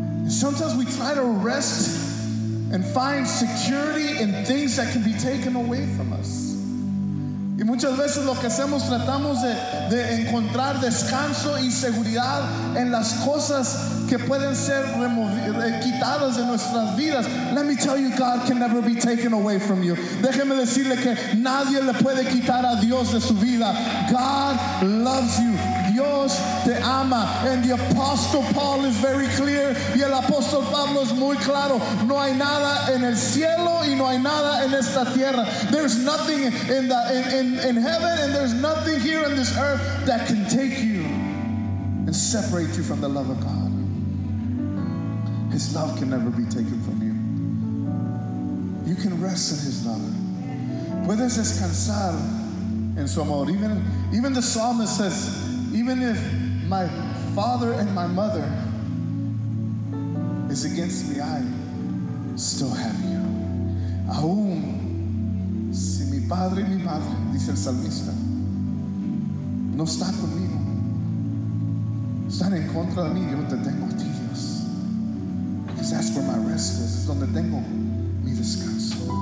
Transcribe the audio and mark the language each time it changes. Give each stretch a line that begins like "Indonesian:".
English: Sometimes we try to rest and find security in things that can be taken away from us.
Spanish: Y muchas veces lo que hacemos, tratamos de encontrar descanso y seguridad en las cosas que pueden ser quitadas de nuestras vidas.
English: Let me tell you, God can never be taken away from you.
Spanish: Déjeme decirle que nadie le puede quitar a Dios de su vida.
English: God loves you.
Spanish: Dios te ama.
English: And the Apostle Paul is very clear.
Spanish: Y el Apóstol Pablo es muy claro. No hay nada en el cielo y no hay nada en esta tierra.
English: There's nothing in heaven, and there's nothing here on this earth that can take you and separate you from the love of God. His love can never be taken from you. You can rest in His love.
Spanish: Puedes descansar en su amor.
English: Even the psalmist says, even if my father and my mother is against me, I still have you.
Spanish: Aún si mi padre y mi madre, dice el salmista, no están conmigo, están en contra de mí, yo te tengo a ti, Dios.
English: because that's where my rest is.
Spanish: Es donde tengo mi descanso.